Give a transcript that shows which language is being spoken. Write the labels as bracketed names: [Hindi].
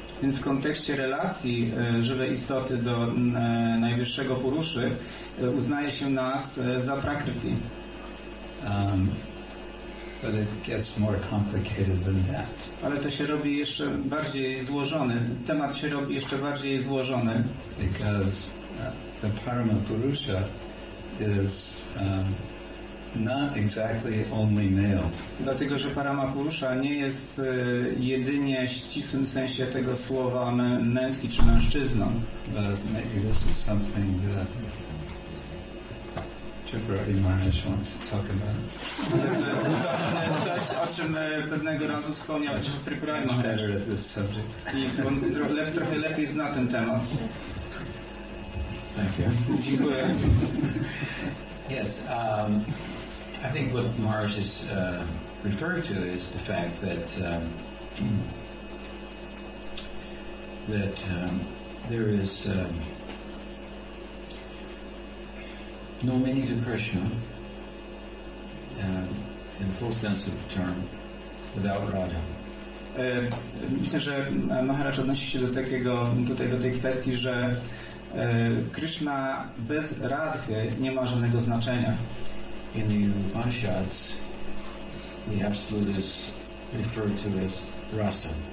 [Polish] Więc w kontekście relacji żywej istoty do najwyższego Puruszy uznaje się nas za Prakriti. [English] But it gets more complicated than that. [Polish] Ale to się robi jeszcze bardziej złożony. Temat się robi jeszcze bardziej złożony. [English] Because the Paramapurusha is not exactly only male. [Polish] Dlatego, że Paramapurusha nie jest jedynie w ścisłym sensie tego słowa męski czy mężczyzną. [English] But maybe this is something that Chipperati Maharaj wants to talk about. [Polish] Coś, o czym pewnego razu wspomniał Chipperati Maharaj. I on trochę lepiej zna ten temat. [English] Thank you. Yes, I think what Maharaj is referring to is the fact that there is no meaning to Krishna in the full sense of the term without Radha. [Polish] Myślę, że Maharaj odnosi się do takiego tutaj do tej kwestii, że Krishna bez Radhy nie ma żadnego znaczenia. [English] In the Upanishads, the absolute is referred to as rasa.